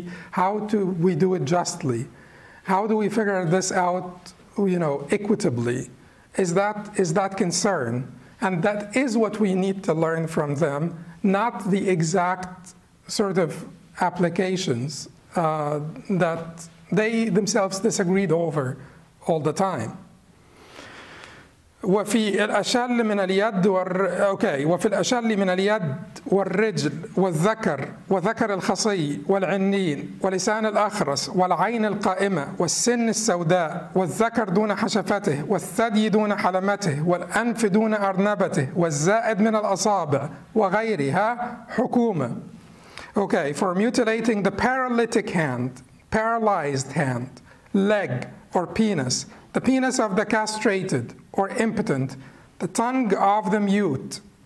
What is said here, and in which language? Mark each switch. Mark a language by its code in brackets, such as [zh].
[en] How do we do it justly? How do we figure this out, you know, equitably? Is that concern? And that is what we need to learn from them, not the exact sort of applications that they themselves disagreed over all the time. [ar] وفي الأشل من اليد okay وفي الأشل من اليد والرجل والذكر وذكر الخصي والعنين ولسان الأخرس والعين القائمة والسن السوداء والذكر دون حشفته والثدي دون حلمته والأنف دون أرنبته والزائد من الأصابع وغيرها حكومة. [en] Okay, for mutilating the paralytic hand, paralyzed hand, leg or penis, the penis of the castrated or impotent, the tongue of the mute,